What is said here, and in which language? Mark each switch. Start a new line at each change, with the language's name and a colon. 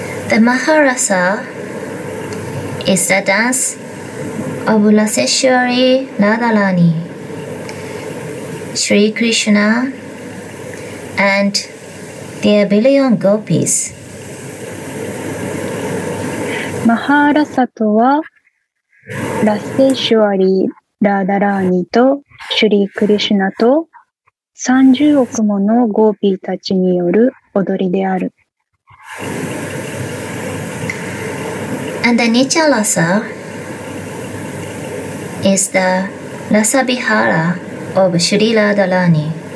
English: The Maharasa is the dance of Raseshwari Radharani, Sri Krishna, and their billion gopis.
Japanese: マハーラサとはラッセシュアリー・ラーダラーニとシュリー・クリシュナと30億ものゴーピーたちによる踊りである。
English: And the Nitya Rasa is the Rasa Bihara of Sri Radharani.